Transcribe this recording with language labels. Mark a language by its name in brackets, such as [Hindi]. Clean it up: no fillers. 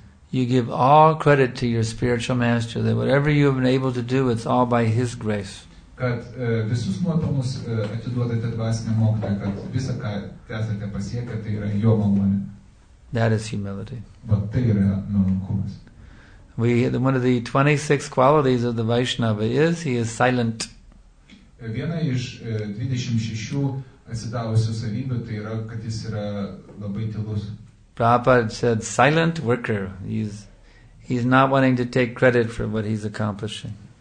[English] You give all credit to your spiritual master that whatever you have been able to do, it's all by his grace. [Lithuanian] Kad visus nuopelnus atiduodate dvasiniam mokytojui, kad visa ką esate pasiekę, tai yra jo malonė. [English] That is humility. [Lithuanian] But tai yra nuolankumas. [English] One of the 26 qualities of the Vaishnava is he is silent. [Lithuanian] Viena iš 26 atsidavusių savybių tai yra, kad jis yra labai tylus. [English] Prabhupada said, silent worker. He's not wanting to take credit for what he's accomplishing.